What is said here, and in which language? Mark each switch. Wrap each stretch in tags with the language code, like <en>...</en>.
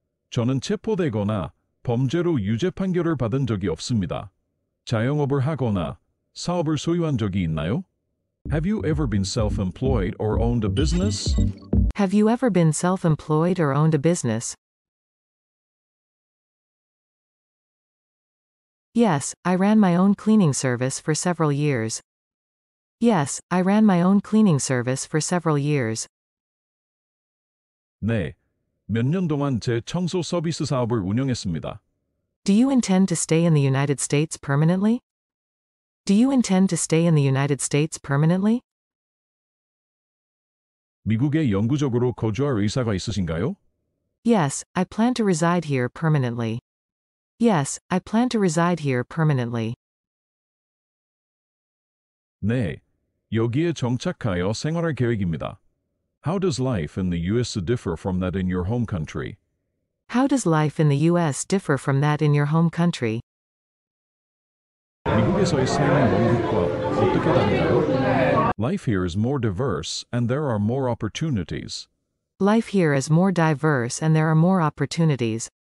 <ko>저는 체포되거나 범죄로 유죄 판결을 받은 적이 없습니다. 자영업을 하거나 사업을 소유한 적이 있나요?</ko> <en>Have you ever been self-employed or owned a business? Have you ever been self-employed or owned a business? Yes, I ran my own cleaning service for several years. Yes, I ran my own cleaning service for several years.</en> <ko>네, 몇 년 동안 제 청소 서비스 사업을 운영했습니다.</ko> <en>Do you intend to stay in the United States permanently? Do you intend to stay in the United States permanently?</en> <ko>미국에 영구적으로 거주할 의사가 있으신가요?</ko> <en>Yes, I plan to reside here permanently. Yes, I plan to reside here permanently.</en> <ko>네, 여기에 정착하여 생활할 계획입니다.</ko> <en>How does life in the U.S. differ from that in your home country? How does life in the U.S. differ from that in your home country?</en> <ko>미국에서의 삶은 영국과 어떻게 다른가요?</ko> <en>Life here is more diverse and there are more opportunities. Life here is more diverse and there are more opportunities.</en>